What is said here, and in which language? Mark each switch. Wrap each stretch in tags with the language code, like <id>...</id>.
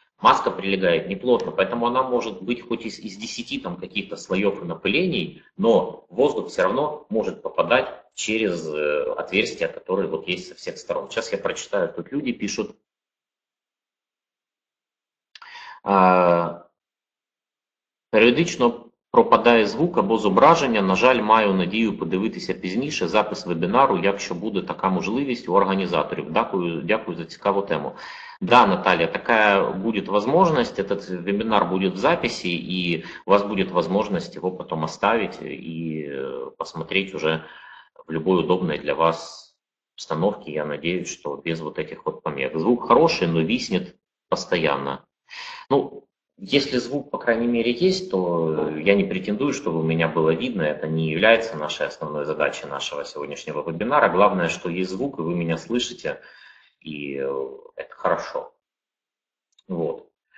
<ru>Маска прилегает неплотно, поэтому она может быть хоть из 10 там, каких-то слоев и напылений, но воздух все равно может попадать через отверстия, которые вот есть со всех сторон. Сейчас я прочитаю, тут люди пишут.</ru> <uk>Периодично пропадає звук або зображення, на жаль, маю надію подивитися пізніше запис вебінару, якщо буде така можливість у організаторів. Дякую, дякую за цікаву тему. Да, Наталія, така буде можливість, цей вебінар буде в записі, і у вас буде можливість його потім оставити і</uk> <ru>посмотреть уже в любой удобной для вас установки,</ru> <uk>я надіюсь, що без</uk> <ru>вот этих вот помех. Звук хороший, но виснет постоянно. Ну, если звук, по крайней мере, есть, то я не претендую, чтобы у меня было видно. Это не является нашей основной задачей нашего сегодняшнего вебинара. Главное, что есть звук, и вы меня слышите, и это хорошо. Вот.</ru>